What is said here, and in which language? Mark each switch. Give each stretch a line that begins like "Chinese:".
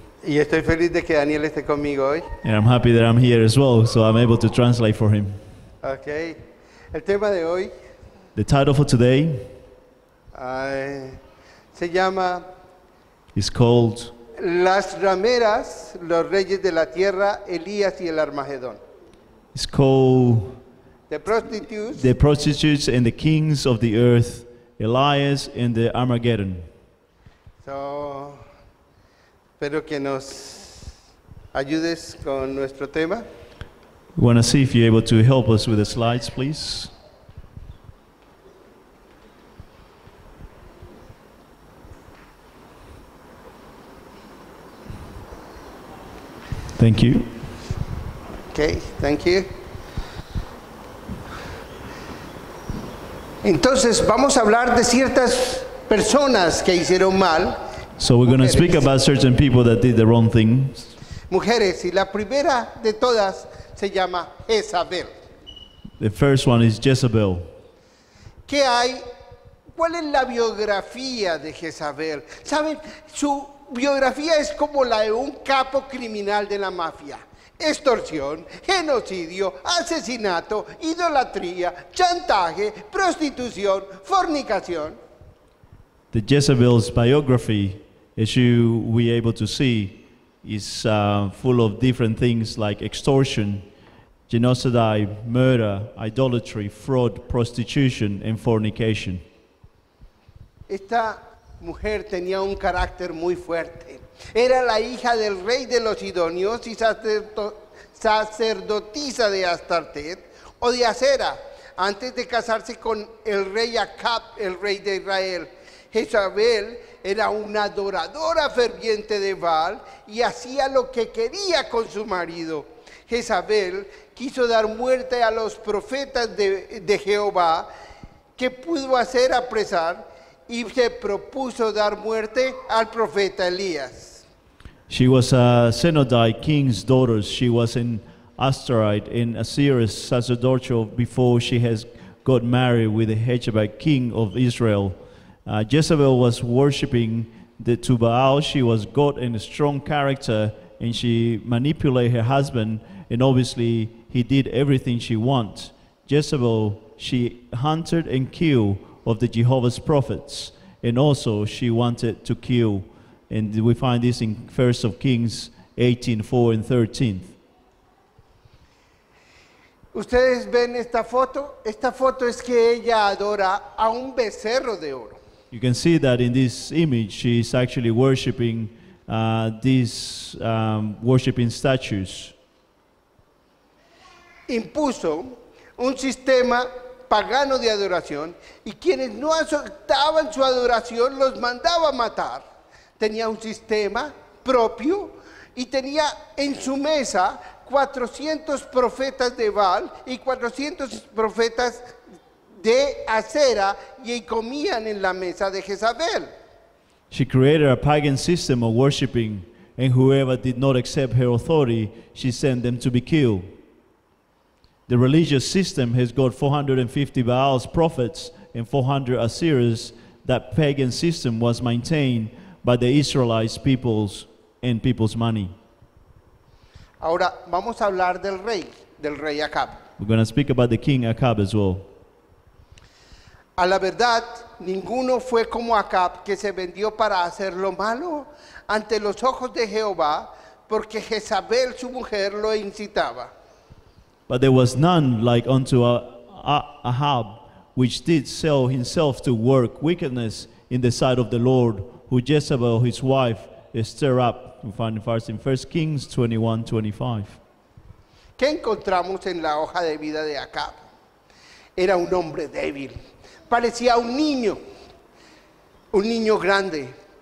Spanish: Y estoy feliz de que Daniel esté conmigo hoy.
English: And I'm happy that I'm here as well, so I'm able to translate for him.
Spanish: Okay. El tema de hoy.
English: The title for today.
Spanish: Se llama.
English: It's called.
Spanish: Las rameras, los reyes de la tierra, Elías y el Armagedón.
English: It's called. The prostitutes and the kings of the earth, Elias and the Armageddon. So.
Spanish: Espero que nos ayudes con nuestro tema.
English: We want to see if you're able to help us with the slides, please. Thank you. Okay, thank you.
Spanish: Entonces, vamos a hablar de ciertas personas que hicieron mal.
English: So we're going to speak about certain people that did the wrong things.
Spanish: Mujeres, y la primera de todas se llama Jezabel.
English: The first one is Jezebel.
Spanish: ¿Qué hay? ¿Cuál es la biografía de Jezabel? ¿Saben? Su biografía es como la de un capo criminal de la mafia. Extorsión, genocidio, asesinato, idolatría, chantaje, prostitución, fornicación.
English: The Jezebel's biography, as you were able to see, is full of different things like extortion, genocide, murder, idolatry, fraud, prostitution, and fornication.
Spanish: Esta mujer tenía un carácter muy fuerte. Era la hija del rey de los Sidonios y sacerdotisa de Astarte o de Acera, antes de casarse con el rey Acab, el rey de Israel. Jezabel era una adoradora ferviente de Baal y hacía lo que quería con su marido. Jezabel quiso dar muerte a los profetas de Jehová que pudo hacer apresar y se propuso dar muerte al profeta Elías.
English: She was a Zenodai king's daughter. She was an Astarite in Asiris sacerdotal before she has got married with the Hechabite king of Israel. Jezebel was worshiping the to Baal. She was God and a strong character, and she manipulated her husband, and obviously he did everything she wants. Jezebel, she hunted and killed of the Jehovah's prophets, and also she wanted to kill. And we find this in 1 Kings 18, 4 and 13.
Spanish: Ustedes ven esta foto? Esta foto es que ella adora a un becerro de oro.
English: You can see that in this image, she is actually worshiping these worshiping statues.
Spanish: Impuso un sistema pagano de adoración y quienes no aceptaban su adoración los mandaba a matar. Tenía un sistema propio y tenía en su mesa 400 profetas de Baal y 400 profetas de acera y comían en la mesa de Jezabel.
English: She created a pagan system of worshiping, and whoever did not accept her authority, she sent them to be killed. The religious system has got 450 Baal's prophets and 400 Asiris. That pagan system was maintained by the Israelites peoples and people's money.
Spanish: Ahora vamos a hablar del rey Acab.
English: We're going to speak about the king Acab as well.
Spanish: A la verdad, ninguno fue como Acab, que se vendió para hacer lo malo ante los ojos de Jehová, porque Jezabel, su mujer, lo incitaba.
English: But there was none like unto Ahab, which did sell himself to work wickedness in the sight of the Lord, who Jezebel, his wife, stirred up. We find it first in 1 Kings 21:25.
Spanish: ¿Qué encontramos en la hoja de vida de Acab? Era un hombre débil. Parecía un niño grande.